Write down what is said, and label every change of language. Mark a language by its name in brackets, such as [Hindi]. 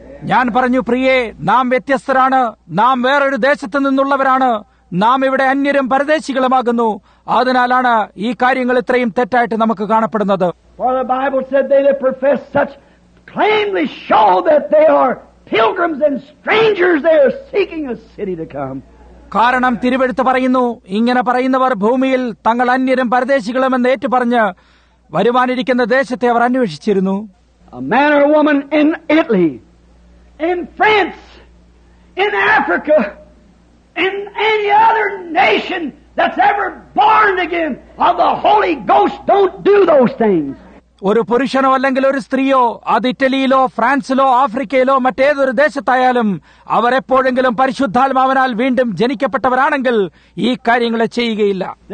[Malayalam] ഞാൻ പറഞ്ഞു, പ്രിയേ, നാം വ്യത്യസ്തരാണ്, നാം വേറൊരു ദേശത്ത് നിന്നുള്ളവരാണ്, നാം ഇവിടെ അന്യരും പരദേശികളുമാകുന്നു. അതിനാലാണ് ഈ കാര്യങ്ങൾ ഇത്രയും തെറ്റായിട്ട് നമുക്ക് കാണപ്പെടുന്നത്. [English] For the Bible said they that profess such plainly show that they are pilgrims and strangers, they are seeking a city to come. [Malayalam] കാരണം തിരുവെഴുത്ത് പറയുന്നു, ഇങ്ങനെ പറയുന്നവർ ഭൂമിയിൽ തങ്ങൾ അന്യരും പരദേശികളും എന്ന് ഏറ്റുപറഞ്ഞ് വരുവാനിരിക്കുന്ന ദേശത്തെ അവർ അന്വേഷിച്ചിരുന്നു. [English] A man or a woman in Italy, in France, in Africa, in any other nation that's ever born again of the Holy Ghost don't do those things. [Malayalam] ഒരു പുരുഷനോ അല്ലെങ്കിൽ ഒരു സ്ത്രീയോ അത് ഇറ്റലിയിലോ ഫ്രാൻസിലോ ആഫ്രിക്കയിലോ മറ്റേതൊരു ദേശത്തായാലും അവരെപ്പോഴെങ്കിലും പരിശുദ്ധാത്മാവിനാൽ വീണ്ടും ജനിക്കപ്പെട്ടവരാണെങ്കിൽ ഈ കാര്യങ്ങളെ ചെയ്യുകയില്ല.